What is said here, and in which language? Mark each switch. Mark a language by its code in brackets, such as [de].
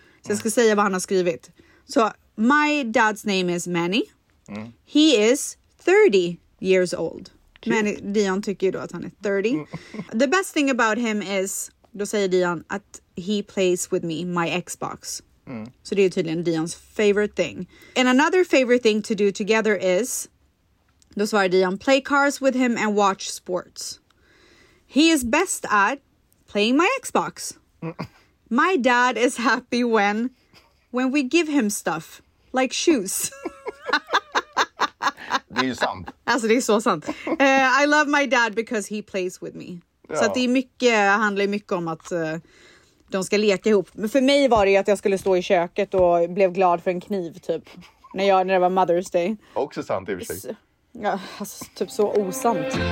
[sv] Så jag ska säga vad han har skrivit. Så, [en] my dad's name is Manny. He is 30 years old. Cute. Manny, [sv] Dion tycker ju då att han är 30. [en] The best thing about him is, [sv] då säger Dion, att [en] he plays with me, my Xbox. [sv] Så det är tydligen Dions [en] favorite thing. And another favorite thing to do together is, [sv] då svarar Dion, [en] play cars with him and watch sports. He is best at playing my Xbox. My dad is happy when we give him stuff, like shoes. [sv] Det är sant. Alltså det är så sant. [en] I love my dad because he plays with me. [sv] Ja. Så att det är mycket, handlar mycket om att de ska leka ihop. Men för mig var det ju att jag skulle stå i köket och blev glad för en kniv typ. När det var Mother's Day. Också sant i och för sig. Ja, alltså, typ så osant.